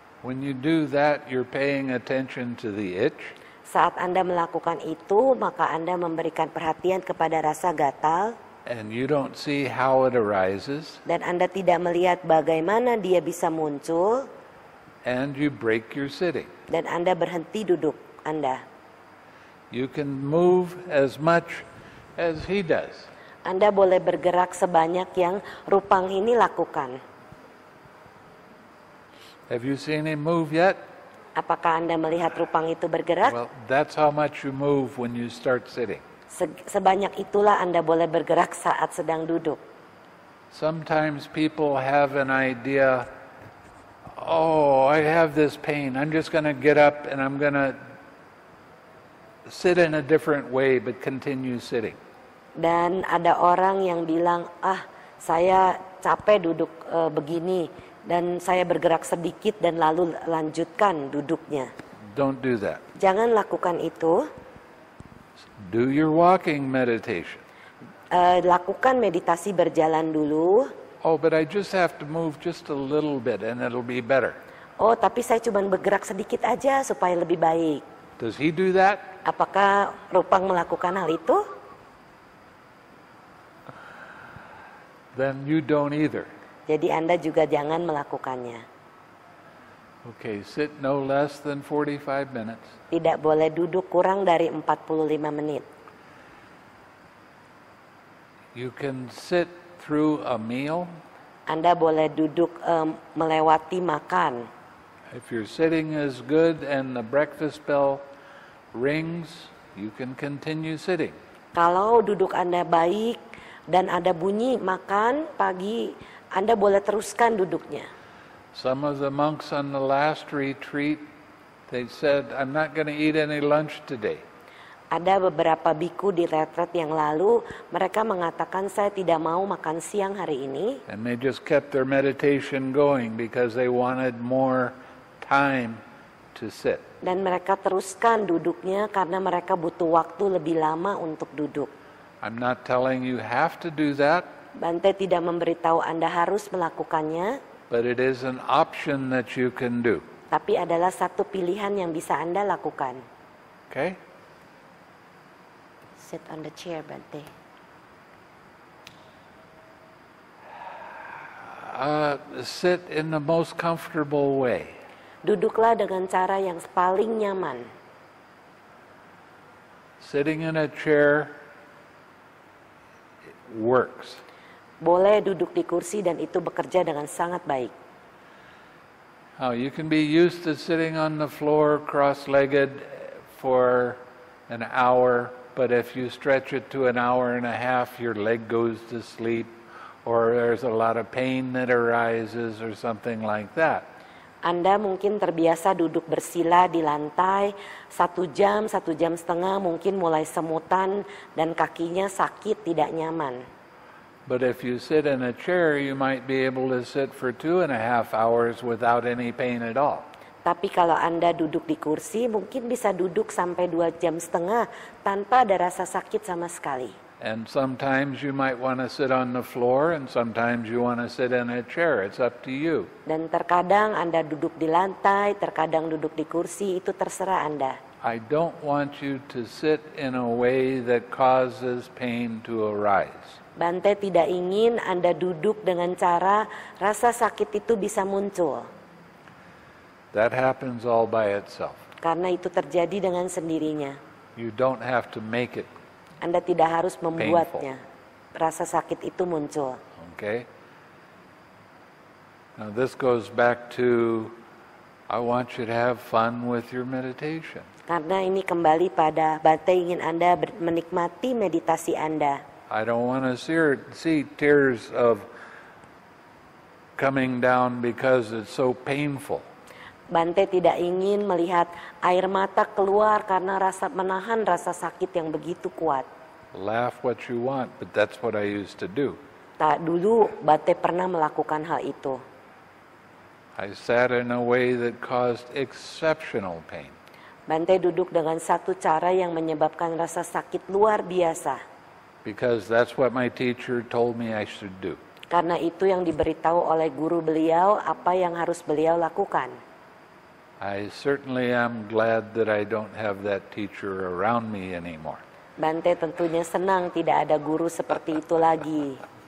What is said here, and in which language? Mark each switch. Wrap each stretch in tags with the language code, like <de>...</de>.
<en>When you do that, you're paying attention to the itch.</en> <id>Saat Anda melakukan itu, maka Anda memberikan perhatian kepada rasa gatal.</id> <en>And you don't see how it arises.</en> <id>Dan Anda tidak melihat bagaimana dia bisa muncul.</id> <en>And you break your sitting.</en> <id>Dan Anda berhenti duduk Anda.</id> <en>You can move as much as he does.</en> <id>Anda boleh bergerak sebanyak yang Rupang ini lakukan.</id> <en>Have you seen him move yet?</en> <id>Apakah Anda melihat Rupang itu bergerak?</id> <en>Well, that's how much you move when you start sitting.</en> <id>Sebanyak itulah Anda boleh bergerak saat sedang duduk.</id> <en>Sometimes people have an idea, oh, I have this pain. I'm just going to get up and I'm going to sit in a different way but continue sitting.</en> <id>Dan ada orang yang bilang, ah, saya capek duduk begini. Dan saya bergerak sedikit dan lalu lanjutkan duduknya.</id> <en>Don't do that.</en> <id>Jangan lakukan itu.</id> <en>Do your walking meditation.</en> <id>Lakukan meditasi berjalan dulu.</id> <en>Oh, but I just have to move just a little bit and it'll be better.</en> <id>Oh, tapi saya cuma bergerak sedikit aja supaya lebih baik.</id> <en>Does he do that?</en> <id>Apakah Rupang melakukan hal itu?</id> <en>Then you don't either.</en> <id>Jadi Anda juga jangan melakukannya.</id> <en>Okay, sit no less than 45 minutes.</en> <id>Tidak boleh duduk kurang dari 45 menit.</id> <en>You can sit through a meal.</en> <id>Anda boleh duduk melewati makan.</id> <en>If your sitting is good and the breakfast bell rings, you can continue sitting.</en> <id>Kalau duduk Anda baik dan ada bunyi makan pagi, Anda boleh teruskan duduknya.</id> <en>Some of the monks on the last retreat, they said, I'm not going to eat any lunch today.</en> <id>Ada beberapa biku di retret yang lalu, mereka mengatakan saya tidak mau makan siang hari ini.</id> <en>And they just kept their meditation going because they wanted more time to sit.</en> <id>Dan mereka teruskan duduknya karena mereka butuh waktu lebih lama untuk duduk.</id> <en>I'm not telling you have to do that.</en> <id>Bhante tidak memberitahu Anda harus melakukannya.</id> <en>But it is an option that you can do.</en> <id>Tapi adalah satu pilihan yang bisa Anda lakukan.</id> <en>Okay. Sit on the chair, Bhante. Sit in the most comfortable way.</en> <id>Duduklah dengan cara yang paling nyaman.</id> <en>Sitting in a chair works.</en> <id>Boleh duduk di kursi dan itu bekerja dengan sangat baik.</id> <en>Oh, you can be used to sitting on the floor cross-legged for an hour, but if you stretch it to an hour and a half, your leg goes to sleep, or there's a lot of pain that arises, or something like that.</en> <id>Anda mungkin terbiasa duduk bersila di lantai satu jam setengah, mungkin mulai semutan dan kakinya sakit, tidak nyaman.</id> <en>But if you sit in a chair, you might be able to sit for 2.5 hours without any pain at all.</en> <id>Tapi kalau Anda duduk di kursi, mungkin bisa duduk sampai 2.5 jam tanpa ada rasa sakit sama sekali.</id> <en>And sometimes you might want to sit on the floor, and sometimes you want to sit in a chair. It's up to you.</en> <id>Dan terkadang Anda duduk di lantai, terkadang duduk di kursi, itu terserah Anda.</id> <en>I don't want you to sit in a way that causes pain to arise.</en> <id>Bhante tidak ingin Anda duduk dengan cara rasa sakit itu bisa muncul.</id> <en>That happens all by itself.</en> <id>Karena itu terjadi dengan sendirinya.</id> <en>You don't have to make it.</en> <id>Anda tidak harus membuatnya.</id> <en>Painful.</en> <id>Rasa sakit itu muncul.</id> <en>Okay. Now this goes back to I want you to have fun with your meditation.</en> <id>Karena ini kembali pada Bhante ingin Anda menikmati meditasi Anda.</id> <en>I don't want to see tears of coming down because it's so painful.</en> <id>Bhante tidak ingin melihat air mata keluar karena rasa menahan rasa sakit yang begitu kuat.</id> <en>Laugh what you want, but that's what I used to do.</en> <id>Tak dulu Bhante pernah melakukan hal itu.</id> <en>I sat in a way that caused exceptional pain.</en> <id>Bhante duduk dengan satu cara yang menyebabkan rasa sakit luar biasa.</id> <en>Because that's what my teacher told me I should do.</en> <id>Karena itu yang diberitahu oleh guru beliau apa yang harus beliau lakukan.</id> <en>I certainly am glad that I don't have that teacher around me anymore.</en> <id>Bhante tentunya senang tidak ada guru seperti itu lagi.</id>